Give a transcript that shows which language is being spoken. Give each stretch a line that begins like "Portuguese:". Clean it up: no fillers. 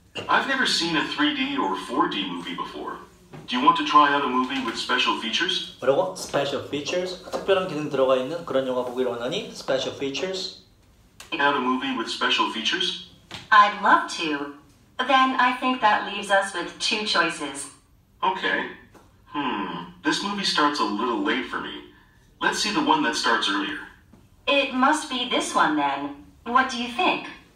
English: I've never seen a 3D or 4D movie before. Do you want to try out a movie with special features?
Korean: 뭐라고? Special features? 특별한 기능 들어가 있는 그런 영화 보기를 원하니?
English: Special features? Out a movie with special features? I'd love to. Then I think that leaves us with two choices. Okay. This movie starts a little late for me. Let's see the one that starts earlier. It must be this one then. What do you think?